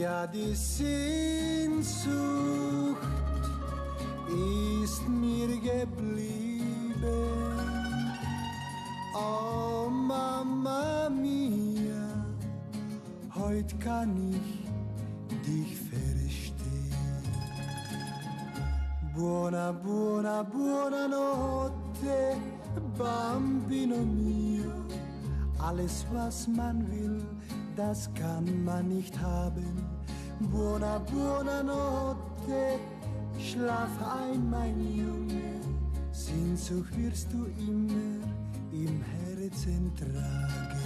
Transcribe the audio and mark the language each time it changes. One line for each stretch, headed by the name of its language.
German: Ja, die Sehnsucht ist mir geblieben, oh Mama Mia. Heute kann ich dich verstehen.
Italian: Buona, buona, buona notte, Bambino mio.
German: Alles, was man will, das kann man nicht haben.
Italian: Buona, buona notte,
German: schlaf ein, mein Junge. Sehnsucht wirst du immer im Herzen tragen.